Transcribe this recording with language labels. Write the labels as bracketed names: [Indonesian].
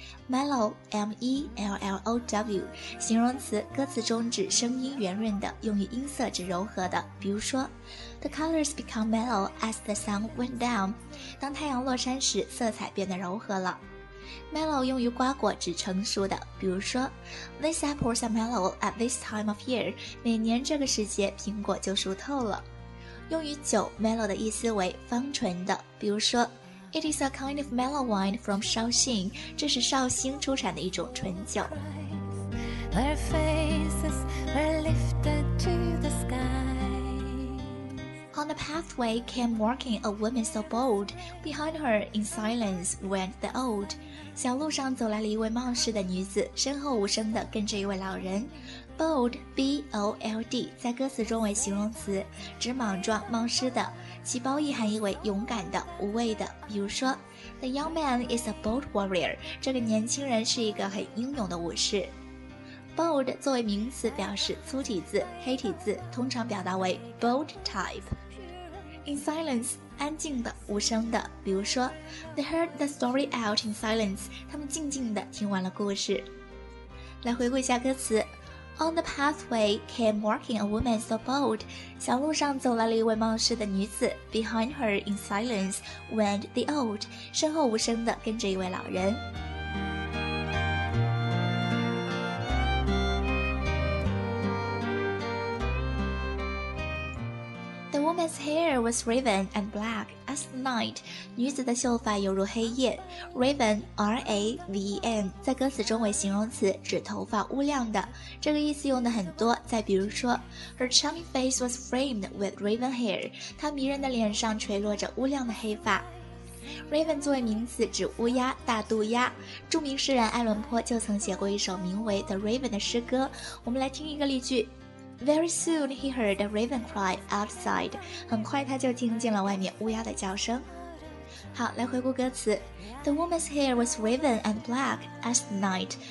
[Chinese] Mellow, M-E-L-L-O-W, 形容词，歌词中指声音圆润的，用于音色指柔和的。 [English] 比如说 ,The colors become mellow as the sun went down, [Chinese] 当太阳落山时色彩变得柔和了。 Mellow 用于瓜果，指成熟的，比如说 , [English] These apples are mellow at this time of year, [Chinese] 每年这个时节苹果就熟透了。用于酒 [English] ,Mellow [Chinese] 的意思为芳醇的，比如说 [English] It is a kind of mellow wine from Shaoxing. [Chinese] 这是绍兴出产的一种醇酒。 [English] Their faces were lifted to the sky. On the pathway came walking a woman so bold. Behind her, in silence, went the old. [Chinese] 小路上走来了一位冒失的女子，身后无声地跟着一位老人。 Bold, B-O-L-D, 在歌词中为形容词，指莽撞、冒失的。其褒义含义为勇敢的、无畏的。比如说 , [English] The young man is a bold warrior, [Chinese] 这个年轻人是一个很英勇的武士。 Bold 作为名词表示粗体字、黑体字，通常表达为 bold type。 In silence, 安静的、无声的。比如说 , [English] They heard the story out in silence, [Chinese] 他们静静地听完了故事。来回顾一下歌词。 [English] On the pathway came walking a woman so bold. [Chinese] 小路上走来了一位冒失的女子。 [English] Behind her, in silence, went the old. [Chinese] 身后无声地跟着一位老人。 [English] The woman's hair was raven and black as night. [Chinese] 女子的秀发犹如黑夜。 Raven, R-A-V-E-N, 在歌词中为形容词，指头发乌亮的。这个意思用的很多，再比如说 [English] ,Her charming face was framed with raven hair. [Chinese] 她迷人的脸上垂落着乌亮的黑发。 [English] Raven [Chinese] 作为名词指乌鸦、大肚鸦。著名诗人爱伦坡就曾写过一首名为 The Raven 的诗歌。我们来听一个例句。 [English] Very soon he heard a raven cry outside. [Chinese] 很快他就听见了外面乌鸦的叫声。好，来回顾歌词。 [English] The woman's hair was raven and black as night.